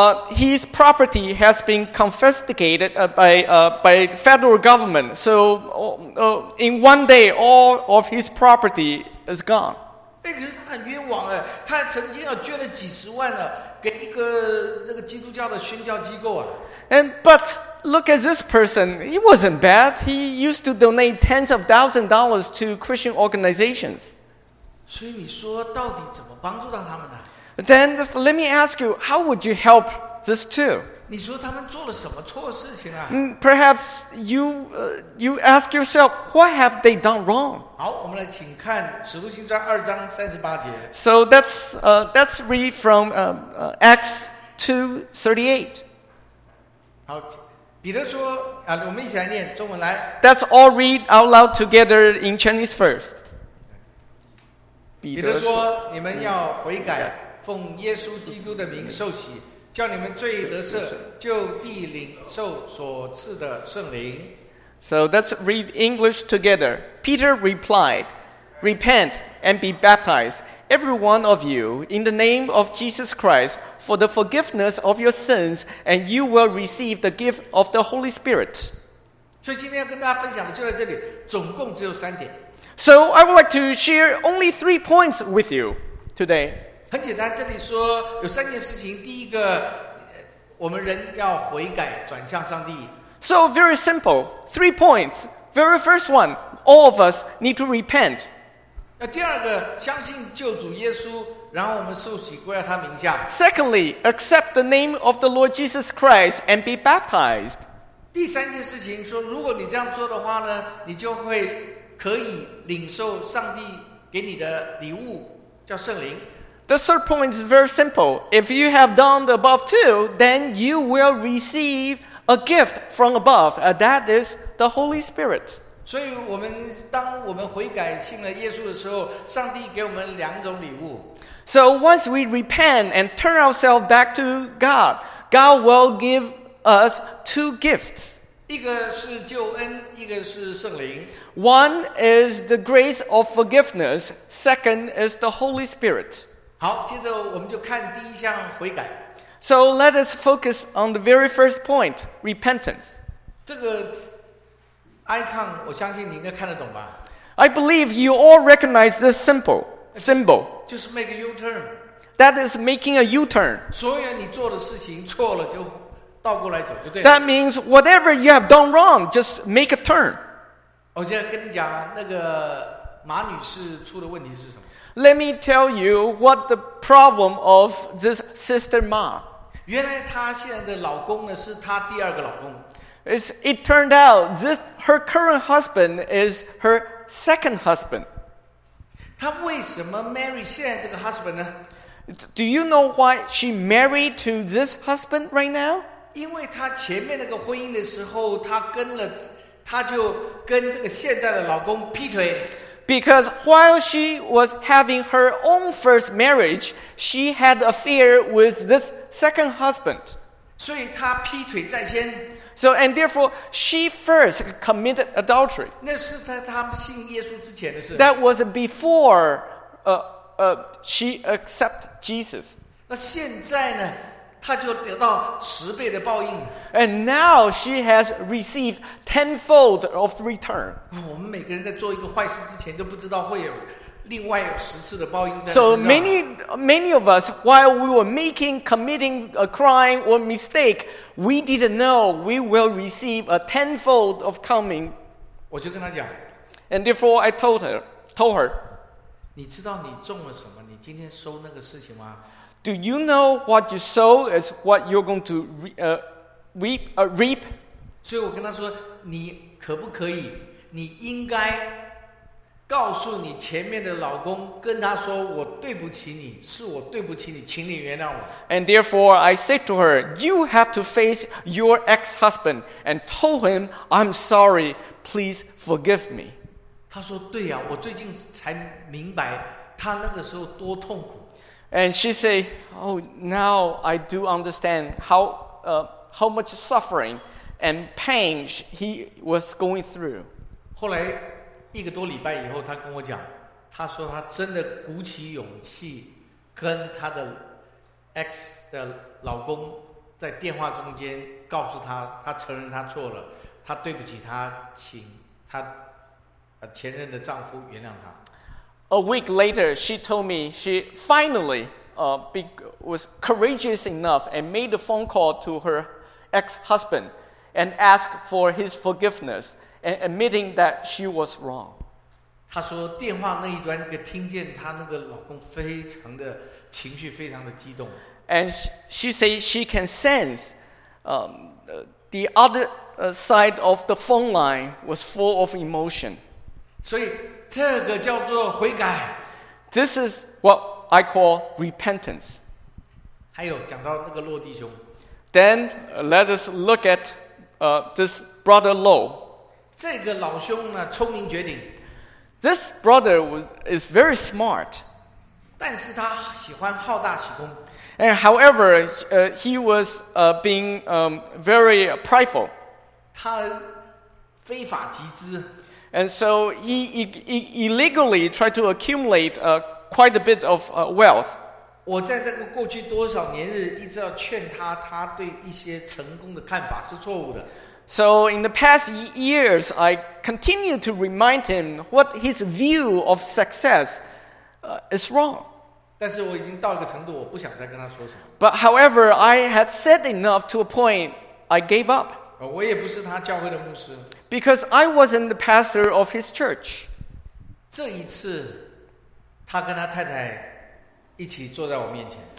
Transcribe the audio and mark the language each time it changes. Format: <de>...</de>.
<en>His property has been confiscated by federal government. So, in one day, all of his property is gone.</en> <zh>可是很冤枉哎，他曾经啊捐了几十万了给一个那个基督教的宣教机构啊。</zh> <en>But look at this person. He wasn't bad. He used to donate tens of thousands of dollars to Christian organizations.</en> <zh>所以你说到底怎么帮助到他们呢？</zh> <en>Then let me ask you, how would you help this too?</en> <zh>你说他们做了什么错事情啊？</zh> <en>Perhaps you ask yourself, what have they done wrong?</en> <zh>好，我们来请看《使徒行传》二章三十八节。</zh> <en>So that's read from Acts 2:38.</en> <zh>好，彼得说啊，我们一起来念中文来。</zh> <en>That's all read out loud together in Chinese first.</en> <zh>彼得说你们要悔改。</zh> <en>Yeah.</en> <zh>奉耶稣基督的名受洗，叫你们罪得赦，就必领受所赐的圣灵。</zh> <en>So let's read English together. Peter replied, "Repent and be baptized, every one of you in the name of Jesus Christ for the forgiveness of your sins, and you will receive the gift of the Holy Spirit.</en> <zh>所以今天要跟大家分享的就在这里，总共只有三点。</zh> <en>So I would like to share only 3 points with you today.</en> <zh>很简单，这里说有三件事情。第一个，我们人要悔改，转向上帝。</zh> <en>So very simple, 3 points. Very first one, all of us need to repent.</en> <zh>第二个，相信救主耶稣，然后我们受洗归到他名下。</zh> <en>Secondly, accept the name of the Lord Jesus Christ and be baptized.</en> <zh>第三件事情说，如果你这样做的话呢，你就会可以领受上帝给你的礼物，叫圣灵。</zh> <en>The third point is very simple. If you have done the above two, then you will receive a gift from above. That is the Holy Spirit.</en> <zh>所以我们当我们悔改信了耶稣的时候，上帝给我们两种礼物。</zh> <en>So once we repent and turn ourselves back to God, God will give us two gifts.</en> <zh>一个是救恩，一个是圣灵。</zh> <en>One is the grace of forgiveness. Second is the Holy Spirit.</en> <zh>好，接着我们就看第一项悔改。</zh> <en>So let us focus on the very first point, repentance.</en> <zh>这个 icon 我相信你应该看得懂吧。</zh> <en>I believe you all recognize this simple symbol.</en> <zh>就是</zh> <en>make a U-turn. That is making a U-turn.</en> <zh>所有你做的事情错了就倒过来走就对了。</zh> <en>That means whatever you have done wrong, just make a turn.</en> <zh>我现在跟你讲，那个马女士出的问题是什么。</zh> <en>Let me tell you what the problem of this sister Ma.</en> <zh>原来她现在的老公呢是她第二个老公。</zh> <en>It turned out this her current husband is her second husband.</en> <zh>她为什么</zh> <en>marry</en> <zh>现在这个</zh> <en>husband</en> <zh>呢？</zh> <en>Do you know why she married to this husband right now?</en> <zh>因为她前面那个婚姻的时候，她就跟这个现在的老公劈腿。</zh> <en>Because while she was having her own first marriage, she had an affair with this second husband.</en> <zh>所以她劈腿在先。</zh> <en>So, and therefore, she first committed adultery.</en> <zh>那是在她信耶稣之前的事。</zh> <en>That was before she accepted Jesus.</en> <zh>那现在呢，她就得到十倍的报应。</zh> <en>And now she has received tenfold of return.</en> <zh>我们每个人在做一个坏事之前都不知道会有另外有十次的报应在身上。</zh> <en>So many of us, while we were committing a crime or mistake, we didn't know we will receive a tenfold of coming.</en> <zh>我就跟她讲。</zh> <en>And therefore I told her,</en> <zh>你知道你中了什么？你今天收那个事情吗？</zh> <en>Do you know what you sow is what you're going to reap?</en> <zh>所以我跟他说，你可不可以，你应该告诉你前面的老公，跟他说我对不起你，是我对不起你，请你原谅我。</zh> <en>And therefore, I said to her, you have to face your ex-husband and told him, I'm sorry, please forgive me.</en> <zh>他说对啊，我最近才明白他那个时候多痛苦。</zh> <en>And she said, oh, now I do understand how much suffering and pain he was going through.</en> <zh>后来一个多礼拜以后，她跟我讲，她说她真的鼓起勇气跟她的 ex 的老公在电话中间告诉她，她承认她错了，她对不起她，请她前任的丈夫原谅她。</zh> <en>A week later, she told me she finally was courageous enough and made a phone call to her ex-husband and asked for his forgiveness and admitting that she was wrong.</en> <zh>她说电话那一端听见她那个老公非常的情绪非常的激动。</zh> <en>And she said she can sense the other side of the phone line was full of emotion.</en> <zh>所以这个叫做悔改。</zh> <en>This is what I call repentance.</en> <zh>还有讲到那个洛弟兄。</zh> <en>Then let us look at this brother Lo.</en> <zh>这个老兄呢，聪明绝顶。</zh> <en>This brother is very smart.</en> <zh>但是他喜欢好大喜功。</zh> <en>And however, he was being very prideful.</en> <zh>他非法集资。</zh> <en>And so he illegally tried to accumulate quite a bit of wealth.</en> <zh>我在这个过去多少年日一直要劝他，他对一些成功的看法是错误的。</zh> <en>So in the past years, I continue to remind him what his view of success is wrong.</en> <zh>但是我已经到一个程度，我不想再跟他说什么。</zh> <en>But however, I had said enough to a point I gave up.</en> <zh>我也不是他教会的牧师。</zh> <en>Because I wasn't the pastor of his church.</en> <zh>这一次，他跟他太太一起坐在我面前。</zh>